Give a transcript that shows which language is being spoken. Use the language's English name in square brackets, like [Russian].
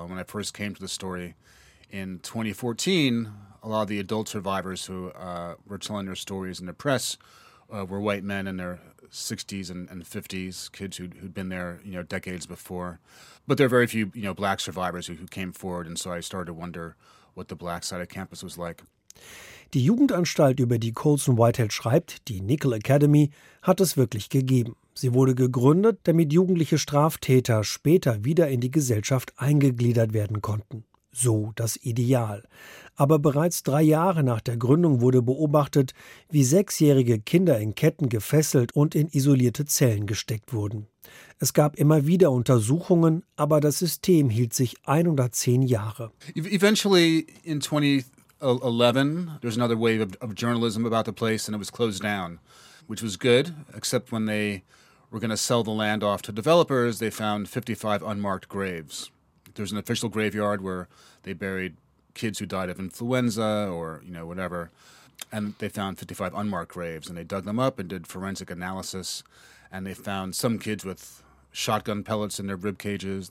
[English] And when I first came to the story in 2014, a lot of the adult survivors who were telling their stories in the press were white men in their 60s and 50s, kids who'd been there, you know, decades before. But there are very few, you know, black survivors who came forward. And so I started to wonder what the black side of campus was like. [German] Die Jugendanstalt, über die Colson Whitehead schreibt, die Nickel Academy, hat es wirklich gegeben. Sie wurde gegründet, damit jugendliche Straftäter später wieder in die Gesellschaft eingegliedert werden konnten. So das Ideal. Aber bereits 3 Jahre nach der Gründung wurde beobachtet, wie 6-jährige Kinder in Ketten gefesselt und in isolierte Zellen gesteckt wurden. Es gab immer wieder Untersuchungen, aber das System hielt sich 110 Jahre. [English] Eventually in 2011, there's another wave of journalism about the place, and it was closed down, which was good, except when they were going to sell the land off to developers, they found 55 unmarked graves. There's an official graveyard where they buried kids who died of influenza or, you know, whatever, and they found 55 unmarked graves, and they dug them up and did forensic analysis, and they found some kids with shotgun pellets in their rib cages.